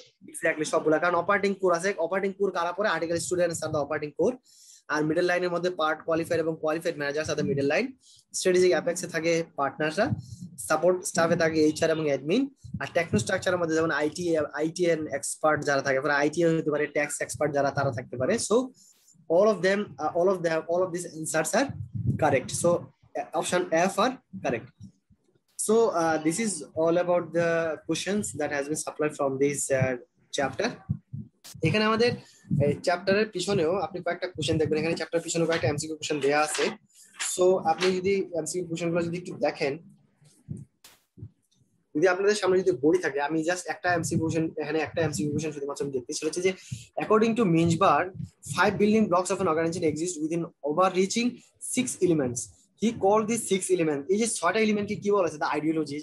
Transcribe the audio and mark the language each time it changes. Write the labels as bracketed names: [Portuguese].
[Bangla] Exactly সবগুলা, কারণ operating core আছে, অপারেটিং কোর কারা পরে, [English] article students আর the operating core, [Bangla] আর middle লাইনের মধ্যে পার্ট কোয়ালিফাইড এবং [English] qualified managers আর the middle line, [Bangla] strategic অ্যাপেক্সে থাকে পার্টনাররা, সাপোর্ট স্টাফে থাকে এইচআর এবং অ্যাডমিন, আর টেকনো স্ট্রাকচারের মধ্যে যেমন আইটি আইটি এন এক্সপার্ট যারা থাকে, ফর আইটি হতে পারে, ট্যাক্স এক্সপার্ট যারা তারা থাকতে পারে। [English] So all of these answers are correct. So option F are correct. So this is all about the questions that has been supplied from this chapter. [Bangla] এখানে আমাদের চ্যাপ্টারের পিছনেও আপনি কয়েকটা কোশ্চেন দেখবেন, এখানে চ্যাপ্টারের পিছনেও কয়েকটা এমসিকিউ কোশ্চেন দেওয়া আছে। সো আপনি যদি এমসিকিউ কোশ্চেনগুলো যদি একটু দেখেন, যদি আপনাদের সামনে যদি বই থাকে, আমি জাস্ট একটা এমসিকিউ কোশ্চেন, এখানে একটা এমসিকিউ কোশ্চেন শুধুমাত্র আমি দেখতে, সেটা হচ্ছে যে [English] according to Mintzberg five building blocks of an organization exist within overarching six elements, he call this six element, [Bangla] এই যে ছয়টা এলিমেন্টকে কি বলা হয়েছে, দ্য আইডিওলজি।